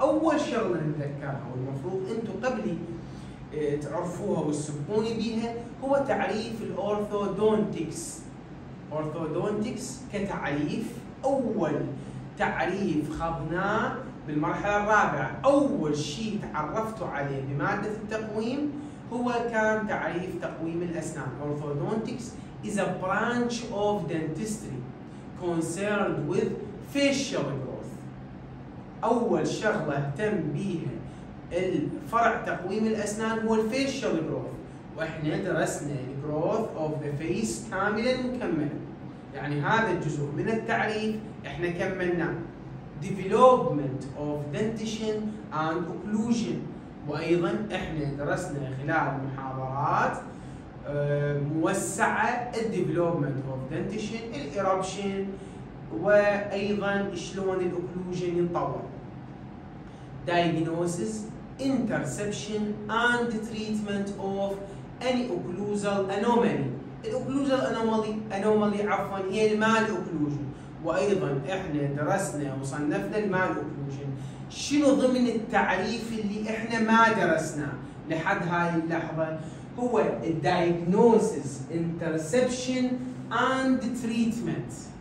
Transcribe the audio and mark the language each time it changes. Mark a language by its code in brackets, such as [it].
[ar] اول شغلة نتذكرها والمفروض انتو قبلي تعرفوها والسبقوني بيها هو تعريف الأورثودونتكس. أورثودونتكس كتعريف، أول تعريف خضناه بالمرحلة الرابعة، أول شيء تعرفتوا عليه بمادة التقويم هو كان تعريف تقويم الأسنان. [en] Orthodontics is a branch of dentistry concerned with facial growth. [ar] أول شغلة اهتم بيها الفرع تقويم الأسنان هو الفيشل جروث، وإحنا درسنا الجروث [en] of the face [ar] كاملاً مكملاً، يعني هذا الجزء من التعريف إحنا كملنا. [en] development of dentition and occlusion، [ar] وأيضاً إحنا درسنا خلال محاضرات موسعة [en] development of dentition، [ar] الإيربشن، وأيضاً شلون الأوكلوجين ينطور. [en] diagnosis interception and treatment of any occlusal anomaly. [ar] الاوكلوزال انومالي عفوا هي المال اوكلوجن، وايضا احنا درسنا وصنفنا المال اوكلوجن. شنو ضمن التعريف اللي احنا ما درسناه لحد هاي اللحظه؟ هو الدايجنوسيس انترسبشن اند تريتمنت.